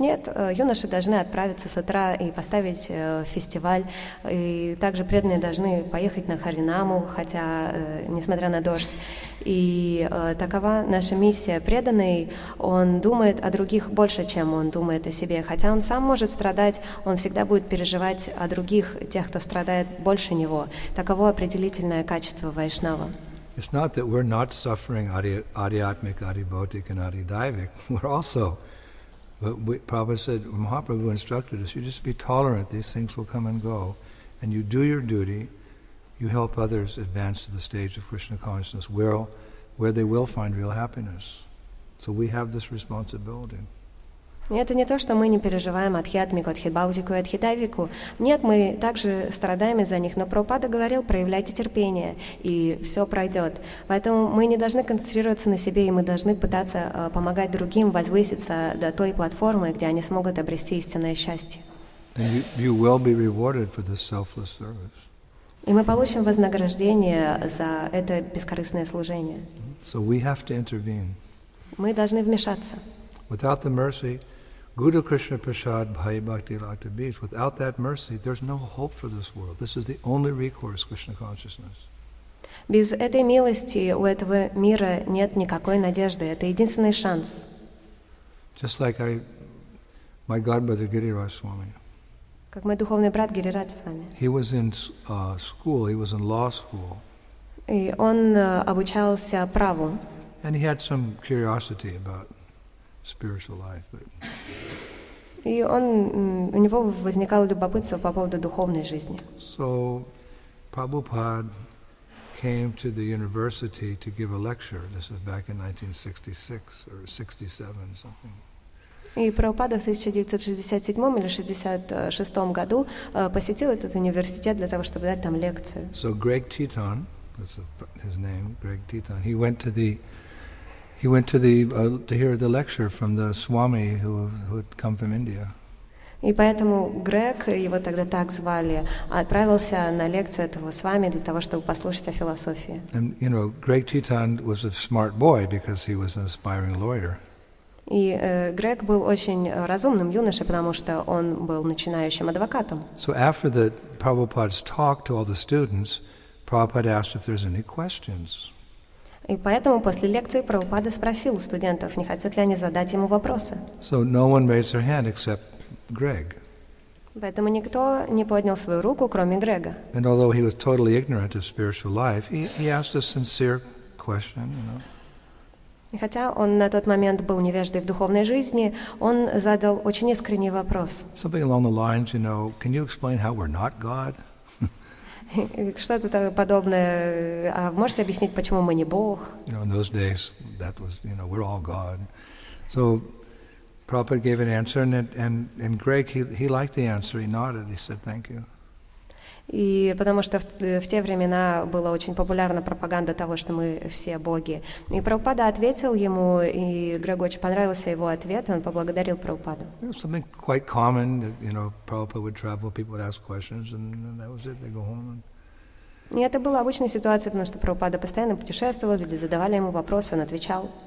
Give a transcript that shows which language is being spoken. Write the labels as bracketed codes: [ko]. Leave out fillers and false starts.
[ru] Нет, юноши должны отправиться с утра и поставить фестиваль, и также преданные должны поехать на Харинаму, хотя, несмотря на дождь. И такова наша миссия. Преданный, он думает о других больше, чем он думает о себе. Хотя он сам может страдать, он всегда будет переживать о других, тех, кто страдает больше него. Таково определительное качество вайшнава. [en] It's not that we're not suffering adhyatmic, adhibhautic, and adhidaivic. We're also, but we, Prabhupada said, Mahaprabhu instructed us, you just be tolerant, these things will come and go, and you do your duty. You help others advance to the stage of Krishna consciousness where they will find real happiness. So we have this responsibility. [ru] Это не то, что мы не переживаем адхьятмику, адхьибаутику и адхидайвику. Нет, мы также страдаем из-за них, но Прабхупада говорил, проявляйте терпение, и все пройдет. Поэтому мы не должны концентрироваться на себе, и мы должны пытаться помогать другим возвыситься до той платформы, где они смогут обрести истинное счастье. [en] And you will be rewarded for this selfless service. [ru] И мы получим вознаграждение за это бескорыстное служение. [en] So we have to intervene. [ru] Мы должны вмешаться. [en] Without the mercy, Guru Krishna Prasad Bhai Bhakti Lata Beach, without that mercy, there's no hope for this world. This is the only recourse, Krishna consciousness. [ru] Без этой милости у этого мира нет никакой надежды. Это единственный шанс. [en] Just like my godbrother Girirai Swami. [ru] Как мой духовный брат Гирирадж с вами. [en] He was in school, he was in law school. [ru] И он обучался праву. [en] And he had some curiosity about spiritual life, but... [ru] И он, у него возникало любопытство по поводу духовной жизни. [en] So, Prabhupada came to the university to give a lecture. This was back in 1966 or 67, something. [ru] И Прабхупада в 1967 или 66 году посетил этот университет для того, чтобы дать там лекцию. [en] So Greg Teton, that's his name, Greg Teton. He went to hear the lecture from the Swami who had come from India. [ru] И поэтому Грег, его тогда так звали, отправился на лекцию этого Свами для того, чтобы послушать о философии. [en] And you know, Greg Teton was a smart boy because he was an aspiring lawyer. [ru] И Грег был очень разумным юношей, потому что он был начинающим адвокатом. [en] So after the Prabhupada's talk to all the students, Prabhupada asked if there's any questions. [ru] И поэтому после лекции Прабхупада спросил студентов, не хотят ли они задать ему вопросы. [en] So no one raised their hand except Greg. [ru] Поэтому никто не поднял свою руку, кроме Грега. [en] And although he was totally ignorant of spiritual life, he asked a sincere question, you know. [ru] И хотя он на тот момент был невеждой в духовной жизни, он задал очень искренний вопрос. [en] Something along the lines, you know, can you explain how we're not God? [ru] Что-то подобное. А можете объяснить, почему мы не Бог? [en] You know, in those days, that was, you know, we're all God. So, Prabhupada gave an answer, and Greg, he liked the answer. He nodded. He said, thank you. [ru] И потому что в те времена была очень популярна пропаганда того, что мы все боги. И Прабхупада ответил ему, и Грегу очень понравился его ответ, он поблагодарил Прабхупаду. [en] It was something quite common that, you know, Prabhupada would travel, people would ask questions, and that was it, they go home. [ru] И это была обычная ситуация, потому что Прабхупада постоянно путешествовал, люди задавали ему вопросы, он отвечал.